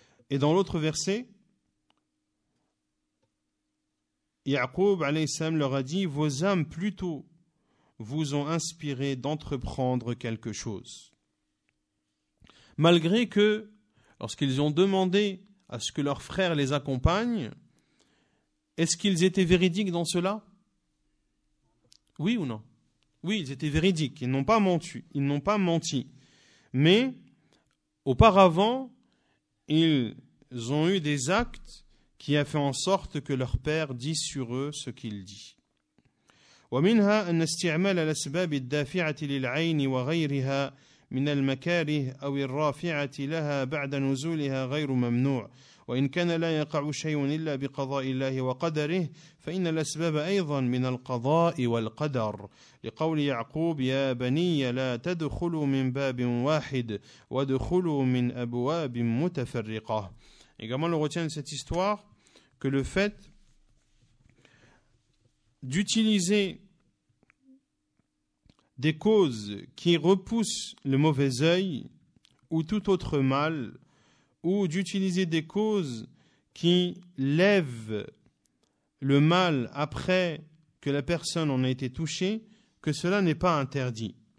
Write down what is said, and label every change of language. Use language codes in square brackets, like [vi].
[fr] Et dans l'autre verset, Yaqub alayhissalam leur a dit, « Vos âmes plutôt vous ont inspiré d'entreprendre quelque chose. » Malgré que, lorsqu'ils ont demandé à ce que leur frère les accompagne, est-ce qu'ils étaient véridiques dans cela? Oui ou non? Oui, ils étaient véridiques, ils n'ont pas menti. Mais, auparavant, ils ont eu des actes qui ont fait en sorte que leur père dise sur eux ce qu'il dit. [ar] ومنها أن استعمال الأسباب الدافعة للعين وغيرها من المكاره أو الرافعة لها بعد نزولها غير ممنوع وإن كان لا يقع شيء إلا بقضاء الله وقدره فإن الأسباب أيضا من القضاء والقدر لقول يعقوب يا بني لا تدخلوا من باب واحد وادخلوا من أبواب متفرقة. [fr] Également, on retient de cette histoire que le fait d'utiliser des causes qui repoussent le mauvais œil ou tout autre mal, ou d'utiliser des causes qui lèvent le mal après que la personne en a été touchée, que cela n'est pas interdit.